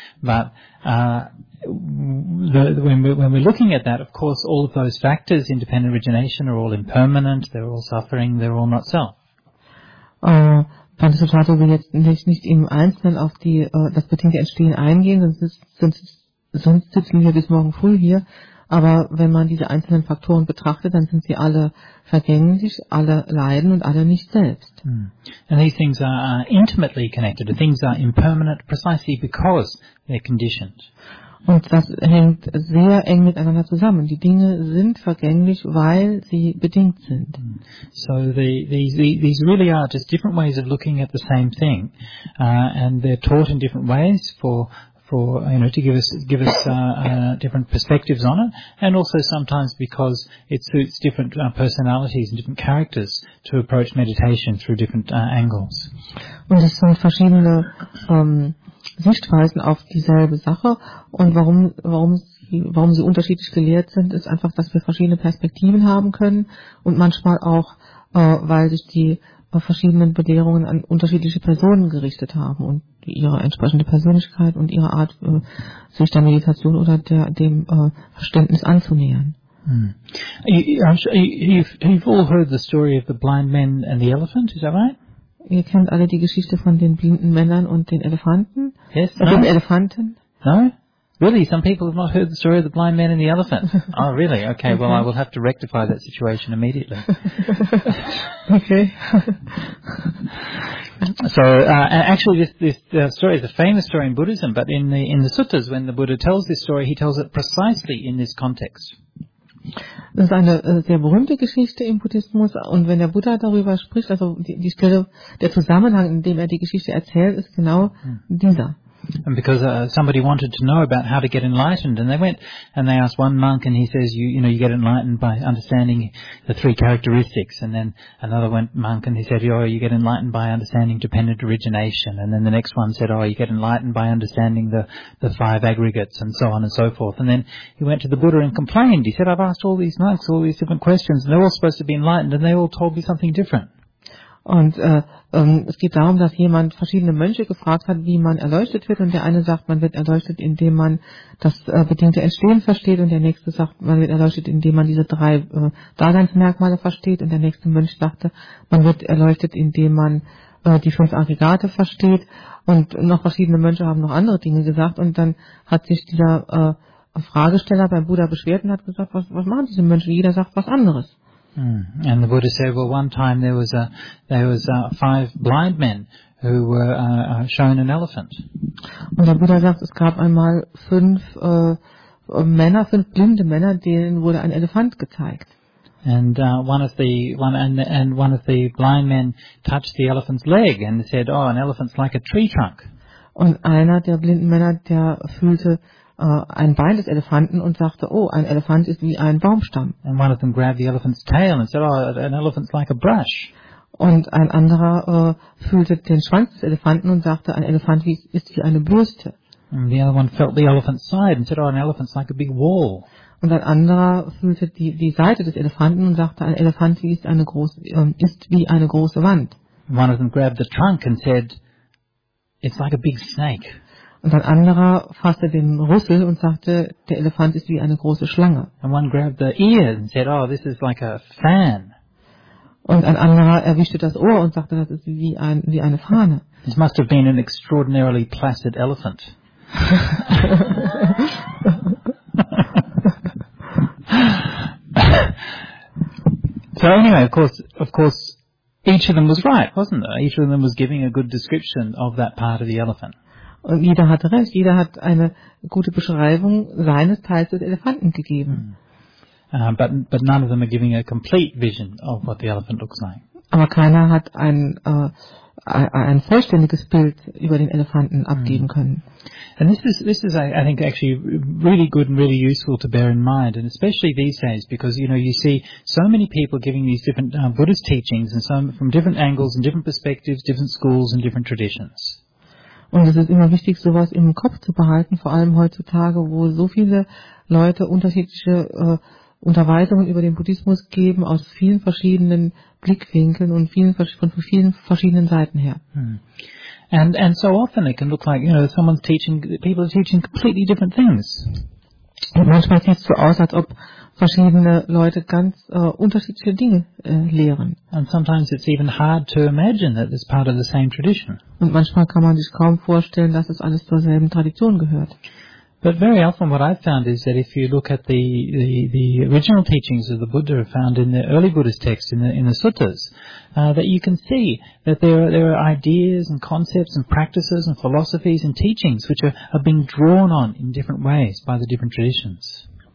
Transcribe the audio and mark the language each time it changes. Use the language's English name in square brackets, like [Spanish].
[English] But when we're looking at that, of course, all of those factors in dependent origination are all impermanent, they're all suffering, they're all not self. [German] Bandhisattva will jetzt nicht im Einzelnen auf das bedingte Entstehen eingehen, sonst sitzen wir bis morgen früh hier. Aber wenn man diese einzelnen Faktoren betrachtet, dann sind sie alle vergänglich, alle leiden und alle nicht selbst. Hmm. [English] And these things are intimately connected. The things are impermanent precisely because they're conditioned. [German] Und das hängt sehr eng miteinander zusammen. Die Dinge sind vergänglich, weil sie bedingt sind. [English] So these really are just different ways of looking at the same thing. And they're taught in different ways to give us different perspectives on it. And also sometimes because it suits different personalities and different characters to approach meditation through different angles. [German] Und es sind verschiedene Sichtweisen auf dieselbe Sache und warum sie unterschiedlich gelehrt sind, ist einfach, dass wir verschiedene Perspektiven haben können und manchmal auch, weil sich die verschiedenen Belehrungen an unterschiedliche Personen gerichtet haben und ihre entsprechende Persönlichkeit und ihre Art, sich der Meditation oder dem Verständnis anzunähern. Hmm. [English] You've all heard the story of the blind man and the elephant, is that right? [German] Ihr kennt alle die Geschichte von den blinden Männern und den Elefanten? [English] Yes, [German] den Elefanten? [English] No? Really? Some people have not heard the story of the blind man and the elephant? Oh, really? Okay, well, I will have to rectify that situation immediately. Okay. So, actually, this story is a famous story in Buddhism, but in the suttas, when the Buddha tells this story, he tells it precisely in this context. [German] Das ist eine sehr berühmte Geschichte im Buddhismus und wenn der Buddha darüber spricht, also die Stelle, der Zusammenhang, in dem er die Geschichte erzählt, ist genau dieser. [English] And because somebody wanted to know about how to get enlightened, and they went and they asked one monk, and he says, you get enlightened by understanding the three characteristics. And then another went monk, and he said, oh, you get enlightened by understanding dependent origination. And then the next one said, oh, you get enlightened by understanding the five aggregates, and so on and so forth. And then he went to the Buddha and complained. He said, I've asked all these monks all these different questions, and they're all supposed to be enlightened, and they all told me something different. [German] Und es geht darum, dass jemand verschiedene Mönche gefragt hat, wie man erleuchtet wird. Und der eine sagt, man wird erleuchtet, indem man das bedingte Entstehen versteht. Und der nächste sagt, man wird erleuchtet, indem man diese drei Daseinsmerkmale versteht. Und der nächste Mönch sagte, man wird erleuchtet, indem man die fünf Aggregate versteht. Und noch verschiedene Mönche haben noch andere Dinge gesagt. Und dann hat sich dieser Fragesteller beim Buddha beschwert und hat gesagt, was machen diese Mönche? Jeder sagt was anderes. [English] And the Buddha said, well, one time there was five blind men who were shown an elephant. [German] Und der Buddha sagt, es gab einmal fünf blinde Männer, denen wurde ein Elefant gezeigt. [English] And one of the blind men touched the elephant's leg and said, oh, an elephant's like a tree trunk. [German] Und einer der blinden Männer, der fühlte ein Bein des Elefanten und sagte, oh, ein Elefant ist wie ein Baumstamm. [English] And one of them grabbed the elephant's tail and said, oh, an elephant's like a brush. [German] Und ein anderer fühlte den Schwanz des Elefanten und sagte, ein Elefant ist wie eine Bürste. [English] And the other one felt the elephant's side and said, oh, an elephant's like a big wall. [German] Und ein anderer fühlte die Seite des Elefanten und sagte, ein Elefant ist wie eine große Wand. [English] And one of them grabbed the trunk and said, it's like a big snake. [German] Und ein anderer fasste den Rüssel und sagte, der Elefant ist wie eine große Schlange. [English] And one grabbed the ear and said, oh, this is like a fan. [German] Und ein anderer erwischte das Ohr und sagte, das ist wie eine Fahne. [English] This must have been an extraordinarily placid elephant. So anyway, of course, each of them was right, wasn't it? Each of them was giving a good description of that part of the elephant. [German] Und jeder hatte recht, jeder hat eine gute Beschreibung seines Teils des Elefanten gegeben. [English] But none of them are giving a complete vision of what the elephant looks like. [German] Aber keiner hat ein vollständiges Bild über den Elefanten abgeben können. [English] And this is I think actually really good and really useful to bear in mind, and especially these days, because you know you see so many people giving these different Buddhist teachings and some from different angles and different perspectives, different schools and different traditions. [German] Und es ist immer wichtig, sowas im Kopf zu behalten, vor allem heutzutage, wo so viele Leute unterschiedliche Unterweisungen über den Buddhismus geben, aus vielen verschiedenen Blickwinkeln und von vielen verschiedenen Seiten her. [English] And so often it can look like, you know, someone's teaching, people are teaching completely different things. [German] Und manchmal sieht es so aus, als ob verschiedene Leute ganz unterschiedliche Dinge lehren. [English] And sometimes it's even hard to imagine that it's part of the same tradition. [German] Und manchmal kann man sich kaum vorstellen, dass es alles zur selben Tradition gehört. [English] But very often what I've found is that if you look at the original teachings of the Buddha found in the early Buddhist texts, in the suttas, that you can see that there are ideas and concepts and practices and philosophies and teachings which are being drawn on in different ways by the different traditions.